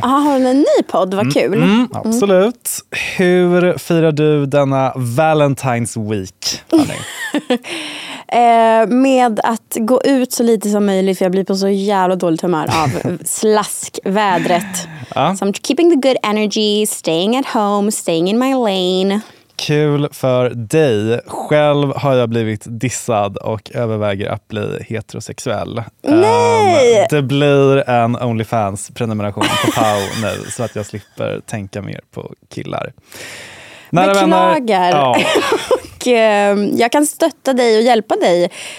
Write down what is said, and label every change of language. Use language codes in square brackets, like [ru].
[sv] Ja, har hon en ny podd? Vad kul. Mm, absolut. Mm. Hur firar du denna Valentine's Week? Med att gå ut så lite som möjligt, för jag blir på så jävla dåligt humör av slaskvädret. [en] Ja. So I'm keeping the good energy, staying at home, staying in my lane. [sv] Kul för dig. Själv har jag blivit dissad och överväger att bli heterosexuell. Nej! Det blir en OnlyFans-prenumeration på Pau nu, så att jag slipper tänka mer på killar. Nära beklagar. Ja. Och jag kan stötta dig och hjälpa dig.